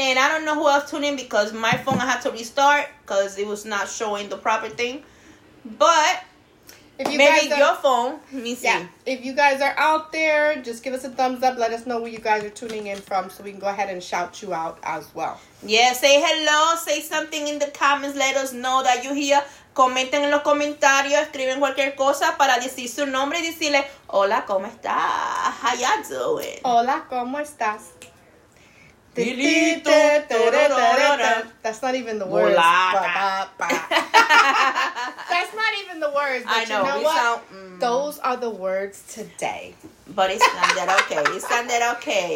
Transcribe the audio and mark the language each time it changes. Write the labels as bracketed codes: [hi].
[en] And I don't know who else tuned in because my phone, I had to restart because it was not showing the proper thing. But... If you guys are out there, just give us a thumbs up. Let us know where you guys are tuning in from so we can go ahead and shout you out as well. Yeah, say hello. Say something in the comments. Let us know that you're here. [es] Comenten en los comentarios. Escriben cualquier cosa para decir su nombre y decirle, hola, ¿cómo estás? [en] How y'all doing? [es] Hola, ¿cómo estás? [en] That's not even the words. Ba, ba, ba. That's not even the words. Those are the words today. But it sounded okay. It sounded okay.